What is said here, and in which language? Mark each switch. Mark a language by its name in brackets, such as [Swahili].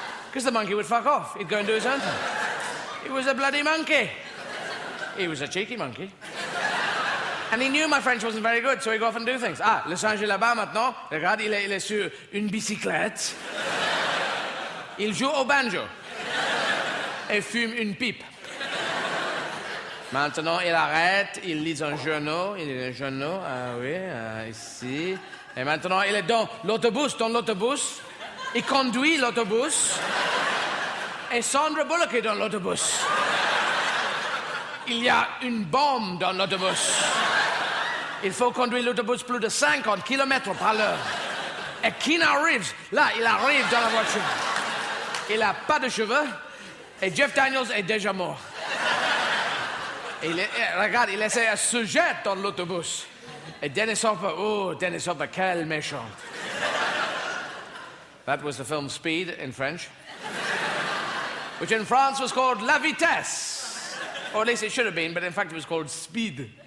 [English] Because the monkey would fuck off. He'd go and do his own thing. He was a bloody monkey. He was a cheeky monkey. And he knew my French wasn't very good, so he'd go off and do things. [French] Ah, le singe est là-bas maintenant. Regarde, il est sur une bicyclette. Il joue au banjo. Et fume une pipe. Maintenant, il arrête, il lit un journal. Il lit un journal, ici. Et maintenant, il est dans l'autobus. Il conduit l'autobus. Et Sandra Bullock est dans l'autobus. Il y a une bombe dans l'autobus. Il faut conduire l'autobus plus de 50 km par l'heure. Et Keanu Reeves, là, il arrive dans la voiture. Il n'a pas de cheveux. Et Jeff Daniels est déjà mort. Et regarde, il essaie de se jeter dans l'autobus. Et Dennis Hopper, oh, Dennis Hopper, quel méchant. [English] That was the film Speed in French. Which in France was called La Vitesse. Or at least it should have been, but in fact it was called Speed.